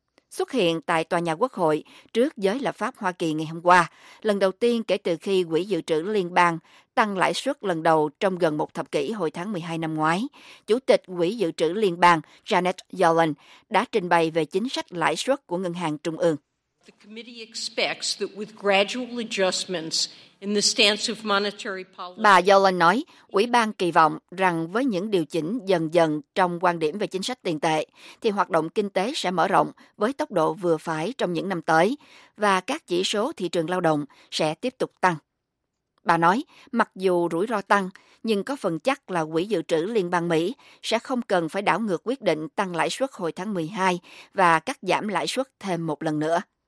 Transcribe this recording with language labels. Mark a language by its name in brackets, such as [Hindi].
[Vietnamese] Xuất hiện tại Tòa nhà Quốc hội trước giới lập pháp Hoa Kỳ ngày hôm qua, lần đầu tiên kể từ khi Quỹ Dự trữ Liên bang tăng lãi suất lần đầu trong gần một thập kỷ hồi tháng 12 năm ngoái, Chủ tịch Quỹ Dự trữ Liên bang Janet Yellen đã trình bày về chính sách lãi suất của Ngân hàng Trung ương. [English] The committee expects that with gradual adjustments in the stance of monetary policy. [Vietnamese] Bà Yellen nói, ủy ban kỳ vọng rằng với những điều chỉnh dần dần trong quan điểm về chính sách tiền tệ, thì hoạt động kinh tế sẽ mở rộng với tốc độ vừa phải trong những năm tới, và các chỉ số thị trường lao động sẽ tiếp tục tăng. Bà nói, mặc dù rủi ro tăng, nhưng có phần chắc là Quỹ Dự trữ Liên bang Mỹ sẽ không cần phải đảo ngược quyết định tăng lãi suất hồi tháng 12 và cắt giảm lãi suất thêm một lần nữa.